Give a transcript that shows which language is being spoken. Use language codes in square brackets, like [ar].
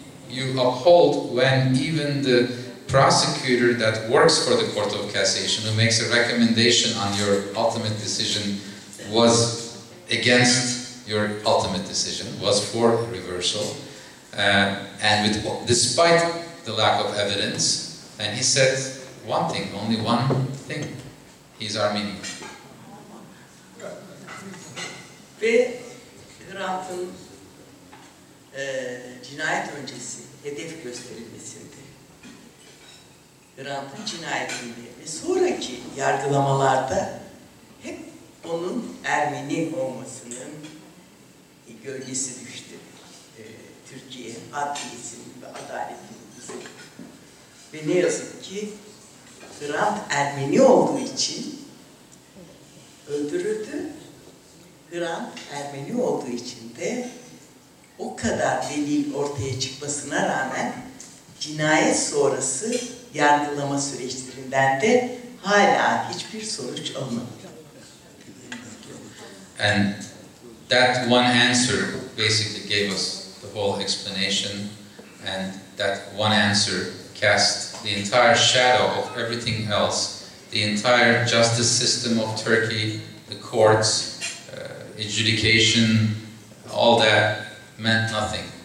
[en] you uphold when even the prosecutor that works for the Court of Cassation, who makes a recommendation on your ultimate decision, was against your ultimate decision, was for reversal, and with despite the lack of evidence, and he said one thing, only one thing, he's Armenian. [tr] Trump'ın cinayet öncesi hedef gösterilmesinde, Trump'ın cinayetinde ve sonraki yargılamalarda hep onun Ermeni olmasının gölgesi düştü. Türkiye adliyesinin ve adaletin üzerine. Ve ne yazık ki Trump Ermeni olduğu için öldürüldü. Kıran Ermeni olduğu için de o kadar delil ortaya çıkmasına rağmen cinayet sonrası yargılama süreçlerinden de hala hiçbir sonuç alınamıyor. [en] And that one answer basically gave us the whole explanation, and that one answer cast the entire shadow of everything else, the entire justice system of Turkey, the courts, adjudication, all that meant nothing.